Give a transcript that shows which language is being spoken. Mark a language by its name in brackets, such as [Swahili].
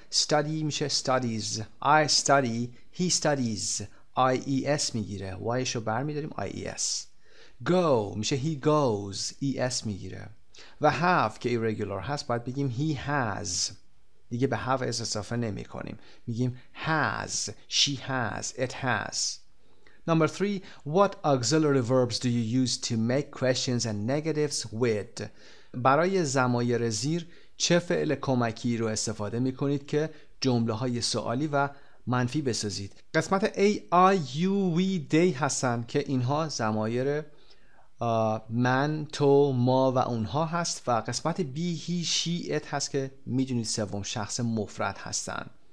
[English] study میشه studies. I study. He studies. [Persian] ies میگیره. yشو برمیداریم. ies. Go میشه [English] he goes. [Persian] es میگیره. و have که irregular هست باید بگیم [English] he has. [Persian] دیگه به have اضافه نمی کنیم، میگیم has. [English] She has. It has. Number three, what auxiliary verbs do you use to make questions and negatives with? [Persian] برای ضمایر زیر چه فعل کمکی رو استفاده می کنید که جمله های سوالی و منفی بسازید؟ قسمت A, I, you, we, they هستن که اینها ضمایر من، تو، ما و اونها هست و قسمت بی، هی، شی، ات هست که میدونید سوم شخص مفرد هستن.